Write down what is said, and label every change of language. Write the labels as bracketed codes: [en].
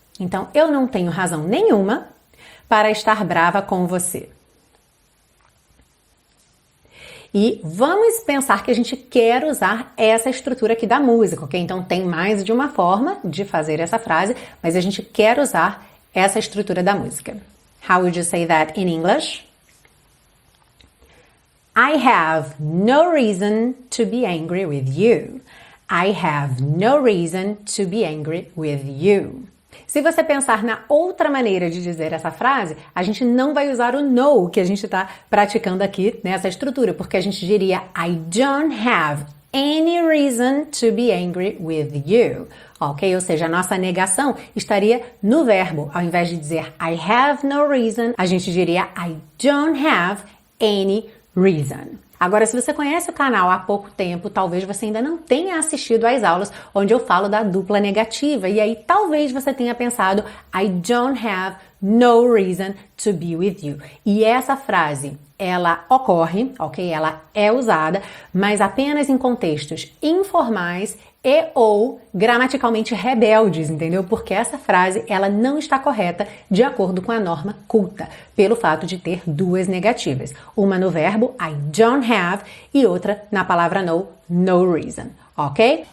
[pt] Então, eu não tenho razão nenhuma para estar brava com você. E vamos pensar que a gente quer usar essa estrutura aqui da música, ok? Então, tem mais de uma forma de fazer essa frase, mas a gente quer usar essa estrutura da música. [en] How would you say that in English? I have no reason to be angry with you. I have no reason to be angry with you. [pt] Se você pensar na outra maneira de dizer essa frase, a gente não vai usar o no que a gente está praticando aqui nessa estrutura, porque a gente diria [en] I don't have any reason to be angry with you. [pt] Ok? Ou seja, a nossa negação estaria no verbo. Ao invés de dizer [en] I have no reason, [pt] a gente diria [en] I don't have any reason. [pt] Agora, se você conhece o canal há pouco tempo, talvez você ainda não tenha assistido às aulas onde eu falo da dupla negativa. E aí, talvez você tenha pensado, [en] I don't have no reason to be with you. [pt] E essa frase, ela ocorre, ok? Ela é usada, mas apenas em contextos informais e ou gramaticalmente rebeldes, entendeu? Porque essa frase ela não está correta de acordo com a norma culta, pelo fato de ter duas negativas, uma no verbo [en] I don't have [pt] e outra na palavra no, [en] no reason. [pt] Ok?